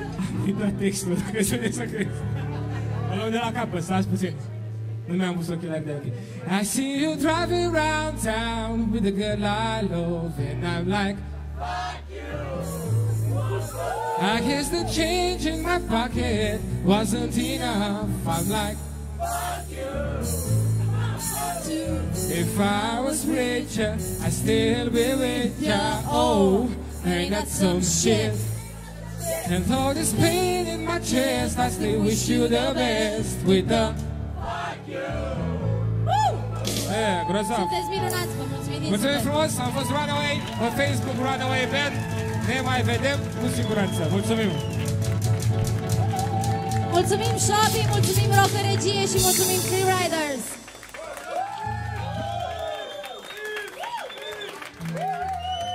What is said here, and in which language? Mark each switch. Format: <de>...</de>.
<ro>Am uitat textul, dacă să ne să crezi. Mă luăm de la capăt, stați puțin. Nu mi-am pus ochelari de ochi.</ro> <en>I see you driving around town with a girl I love, and I'm like, fuck you. I guess the change in my pocket wasn't enough. I'm like, fuck you. If I was richer, I'd still be with ya. Oh, ain't that some shit? And though this pain in my chest, I still wish you the best with the fuck you. Woo! Yeah.</en> <ro>grozav. Sunteți minunați, vă mulțumim. Mulțumim frumos, am fost Runaway pe Facebook, Runaway Band. Ne mai vedem cu siguranță. Mulțumim. Mulțumim Shopee, mulțumim Rock Regie și mulțumim Free Riders.</ro>